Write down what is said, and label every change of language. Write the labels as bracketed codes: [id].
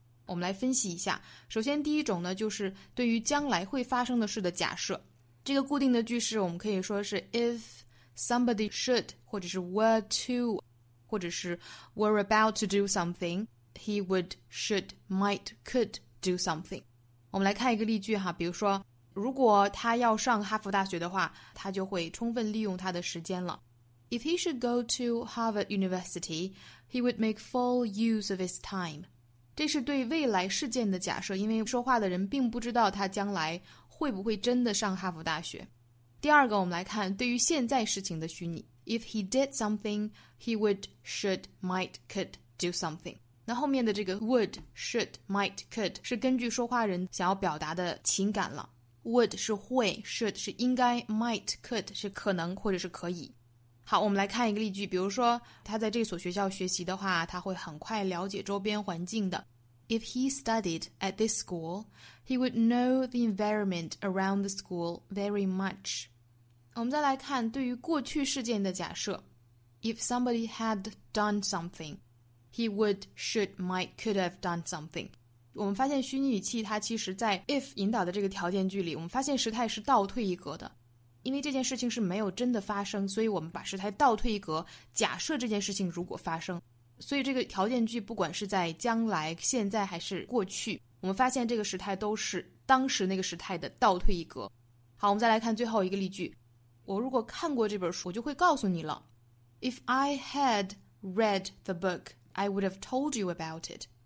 [zh] 我们来分析一下首先第一种呢就是对于将来会发生的事的假设这个固定的句式我们可以说是 [en] if somebody should [zh] 或者是 were to或者是 [en] were about to do something, [zh] he would, should, might, could do something. 我们来看一个例句哈，比如说，如果他要上哈佛大学的话，他就会充分利用他的时间了。 [en] If he should go to Harvard University, he would make full use of his time. [zh] 这是对未来事件的假设，因为说话的人并不知道他将来会不会真的上哈佛大学。第二个，我们来看对于现在事情的虚拟。 [en] If he did something, he would, should, might, could do something. [zh] 那后面的这个 would, should, might, could 是根据说话人想要表达的情感了。 Would 是会 ,should 是应该 ,might, could 是可能或者是可以。好我们来看一个例句比如说他在这所学校学习的话他会很快了解周边环境的。 [en] If he studied at this school, he would know the environment around the school very much. [zh] 我们再来看对于过去事件的假设 [en] If somebody had done something [zh] He would, should, might, could have done something 我们发现虚拟语气它其实在 if 引导的这个条件句里我们发现时态是倒退一格的因为这件事情是没有真的发生所以我们把时态倒退一格假设这件事情如果发生所以这个条件句不管是在将来现在还是过去我们发现这个时态都是当时那个时态的倒退一格好我们再来看最后一个例句我如果看过这本书我就会告诉你了 [en] If I had read the book I would have told you about it